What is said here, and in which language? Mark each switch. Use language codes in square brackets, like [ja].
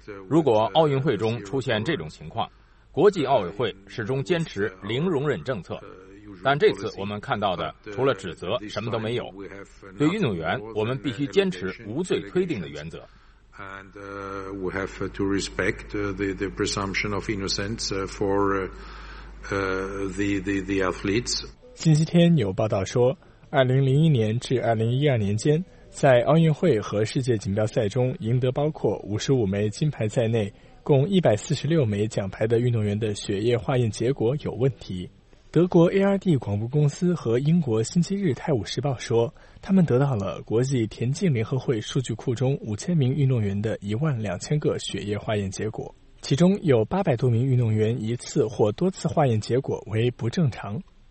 [zh] 如果奥运会中出现这种情况，国际奥委会始终坚持零容忍政策，但这次我们看到的除了指责什么都没有。对运动员，我们必须坚持无罪推定的原则。 [en] And we have to respect the presumption of innocence for the athletes. [zh] 星期天有报道说，2001年至2012年间，在奥运会和世界锦标赛中赢得包括55枚金牌在内，共146枚奖牌的运动员的血液化验结果有问题。德国 ARD 广播公司和英国星期日《泰晤士报》说，他们得到了国际田径联合会数据库中5000名运动员的12000个血液化验结果，其中有800多名运动员一次或多次化验结果为不正常。